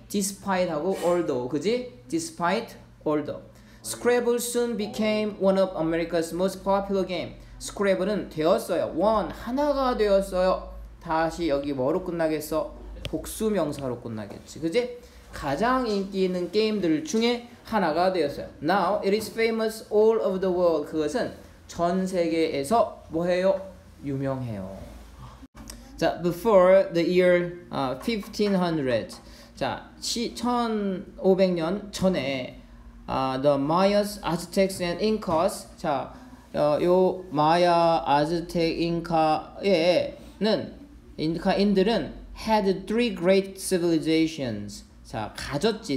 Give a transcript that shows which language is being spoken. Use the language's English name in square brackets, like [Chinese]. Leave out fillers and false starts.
[English] Despite 하고 although 그지? Despite although Scrabble soon became one of America's most popular game. [Korean] Scrabble은 되었어요. One 하나가 되었어요. 다시 여기 뭐로 끝나겠어? 복수명사로 끝나겠지. 그지? 가장 인기 있는 게임들 중에 하나가 되었어요. [English] Now it is famous all over the world. [Korean] 그것은 전 세계에서 뭐해요? 유명해요. [English] 자, before the year 1500. 자, [Korean] 1500년 전에 [English] the Mayas, Aztecs and Incas. [Korean] 자, 요 마야, 아즈텍, 인카에는 인카인들은 [English] had three great civilizations. [Korean] 자, 가졌지.